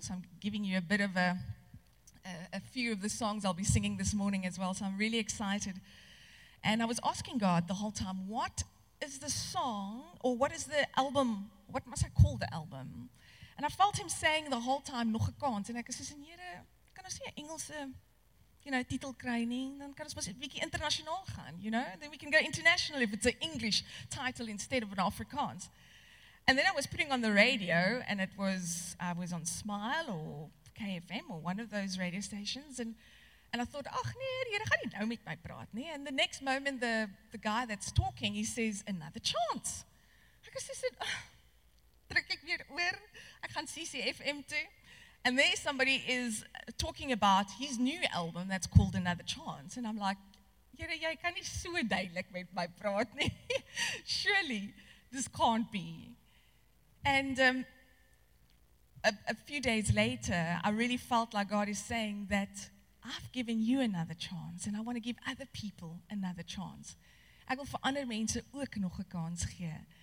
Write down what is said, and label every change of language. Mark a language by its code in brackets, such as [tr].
[en] So I'm giving you a bit of a few of the songs I'll be singing this morning as well. So I'm really excited. And I was asking God the whole time, what is the song, or what is the album, what must I call the album? And I felt him saying the whole time, [af] nog 'n kans. En ek sê, Here, kan ons nie 'n Engelse, you know, titel kry nie? Dan kan ons mos 'n bietjie internasionaal gaan, [en] you know? Then we can go international if it's an English title instead of an Afrikaans. And then I was putting on the radio, and it was, I was on Smile or KFM or one of those radio stations, and I thought, [af] ach nee, die Here gaan nie nou met my praat nie. [en] And the next moment, the guy that's talking, he says, Another Chance. [af] Ek sê, druk ek weer oor, ek gaan CCFM toe. [en] And there somebody is talking about his new album that's called Another Chance. And I'm like, [af] Here, jy kan nie so duidelik met my praat nie. [en] Surely, this can't be. And a few days later, I really felt like God is saying that I've given you another chance, and I want to give other people another chance. [af] Ek wil vir ander mense ook nog 'n kans gee.